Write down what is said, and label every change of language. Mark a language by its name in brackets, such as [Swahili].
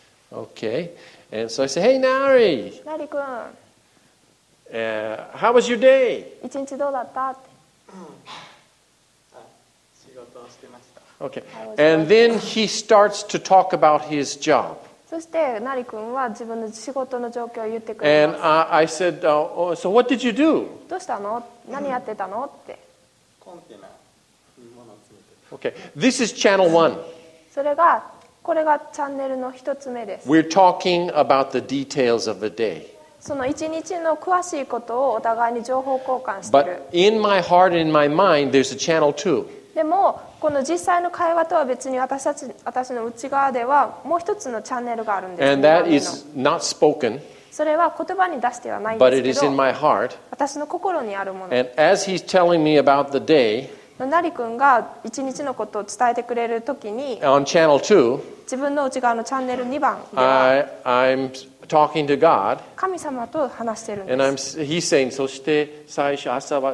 [English] Okay, and so I say, hey, Nari! Nari-kun! How was your day? [Japanese] 一日どうだった？って。仕事をしてました。 [English] Okay, and then he starts to talk about his job. [Japanese] そして、Nari-kun は自分の仕事の状況を言ってくれます。 [English] And I said, so what did you do? [Japanese] どうしたの？何やってたの？って。コンテナ、物を詰めて。 [English] Okay, this is channel one. [Japanese] それが、これがチャンネルの一つ目です。 [English] We're talking about the details of the day. [Japanese] その一日の詳しいことをお互いに情報交換してる。 [English] But in my heart and in my mind, there's a channel too. [Japanese] でも、この実際の会話とは別に私の内側ではもう一つのチャンネルがあるんです。 [English] And that is not spoken. [Japanese] それは言葉に出してはないんですけど。 [English] But it is in my heart. [Japanese] 私の心にあるもの。 [English] And as he's telling me about the day, [Japanese] ナリ君が一日のことを伝えてくれるときに、 [English] On channel two, [Japanese] 自分の内側のチャンネル2番では、 [English] I'm talking to God, [Japanese] 神様と話してるんです。 [English] And he's saying, [Japanese] そして最初朝は、